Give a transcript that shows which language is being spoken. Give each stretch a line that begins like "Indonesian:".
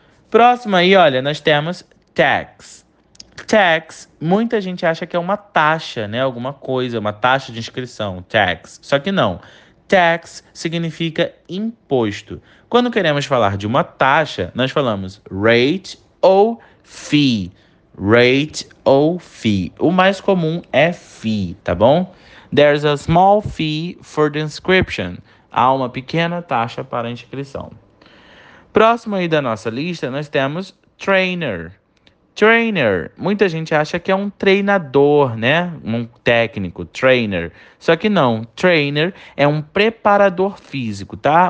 Portuguese: Próximo aí, olha, nós temos tax. Tax, muita gente acha que é uma taxa, né? Alguma coisa, uma taxa de inscrição, tax. Só que não. Tax significa imposto. Quando queremos falar de uma taxa, nós falamos rate ou fee. Rate ou fee. O mais comum é fee, tá bom?
English: There's a small fee for the inscription.
Portuguese: Há uma pequena taxa para a inscrição. Próximo aí da nossa lista, nós temos trainer. Trainer, muita gente acha que é um treinador, né? Um técnico, trainer. Só que não, trainer é um preparador físico, tá?